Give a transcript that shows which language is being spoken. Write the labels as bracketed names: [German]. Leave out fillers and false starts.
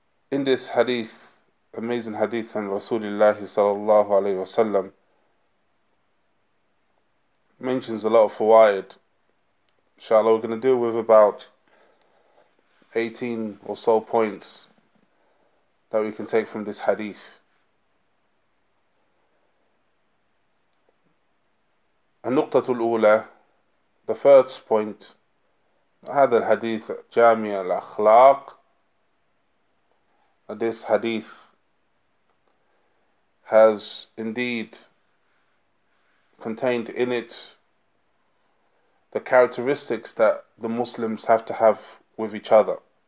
[English] In this hadith, amazing hadith on Rasulullah sallallahu alayhi wa sallam, mentions a lot of fawaid. Inshallah, we're going to deal with about 18 or so points that we can take from this hadith. [Arabic] النقطة الأولى, [English] the first point, [Arabic] هذا الحديث جامع الأخلاق. [English] This hadith has indeed contained in it the characteristics that the Muslims have to have with each other.